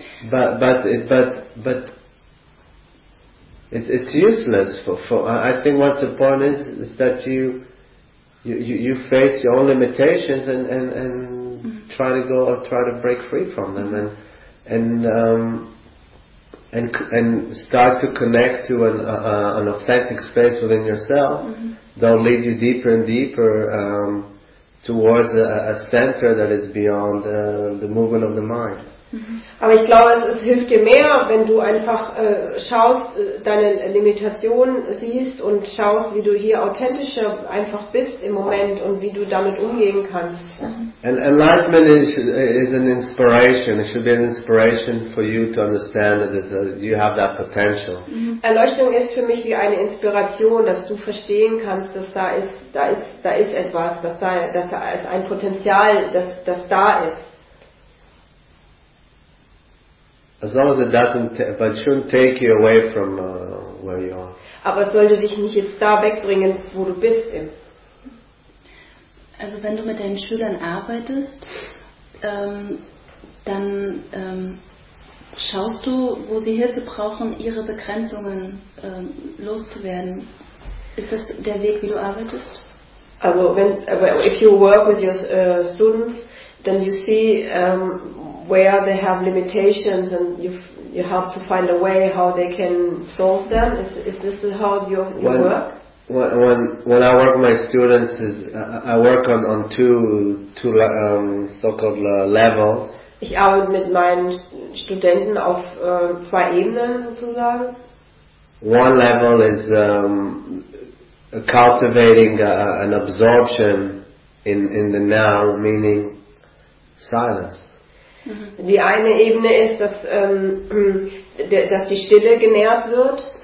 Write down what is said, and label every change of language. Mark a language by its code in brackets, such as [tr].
[en] But it's useless for I think what's important is that you face your own limitations and try to go or try to break free from them and start to connect to an authentic space within yourself. Mm-hmm. That'll lead you deeper and deeper towards a center that is beyond the movement of the mind. Mhm. [de] Aber ich glaube, es hilft dir mehr, wenn du einfach schaust, deine Limitation siehst und schaust, wie du hier authentischer einfach bist im Moment und wie du damit umgehen kannst. [en] And enlightenment is an inspiration. It should be an inspiration for you to understand that you have that potential. Mhm. [de] Erleuchtung ist für mich wie eine Inspiration, dass du verstehen kannst, dass da ist etwas, dass da ist ein Potenzial, das da ist. [en] As long as it doesn't, but shouldn't take you away from where you are. [de] Aber es sollte dich nicht jetzt da wegbringen, wo du bist. Also wenn du mit deinen Schülern arbeitest, dann schaust du, wo sie Hilfe brauchen, ihre Begrenzungen loszuwerden. Ist das der Weg, wie du arbeitest? Also wenn, [en] if you work with your students, then you see where they have limitations and you have to find a way how they can solve them. Is this how you work? When I work with my students, I work on two so-called levels. [de] Ich arbeite mit meinen Studenten auf zwei Ebenen sozusagen. [en] One level is cultivating an absorption in the now, meaning silence. [de] Die eine Ebene ist, dass die Stille genährt wird.